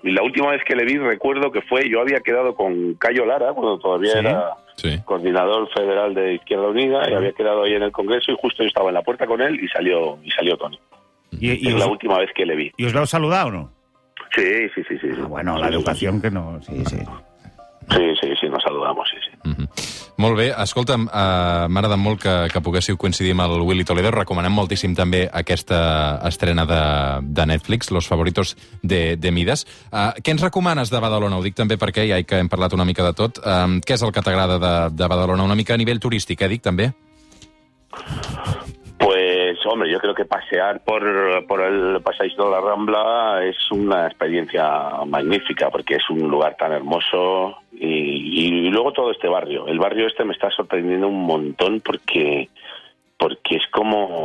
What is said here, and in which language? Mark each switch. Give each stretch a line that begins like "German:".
Spanish: Y la última vez que le vi, recuerdo que fue, yo había quedado con Cayo Lara, cuando todavía era... Sí. Coordinador federal de Izquierda Unida, y había quedado ahí en el Congreso, y justo yo estaba en la puerta con él y salió Toni. ¿Y es la última vez que le vi. ¿Y os lo ha saludado o no? Sí. Ah, bueno, la educación que no... Sí. Sí, nos saludamos, sí.
Catalan: Molt bé, escolta'm, m'ha agradat molt que poguéssiu coincidir amb el Willy Toledo. Recomanem moltíssim també aquesta estrena de Netflix, Los Favoritos de Midas. Què ens recomanes de Badalona? Ho dic també perquè ja que hem parlat una mica de tot. Què és el que t'agrada de Badalona? Una mica a nivell turístic, dic també.
Spanish: Pues, hombre, yo creo que pasear por el Paseo de la Rambla es una experiencia magnífica, porque es un lugar tan hermoso... Y luego todo este barrio. El barrio este me está sorprendiendo un montón porque es como...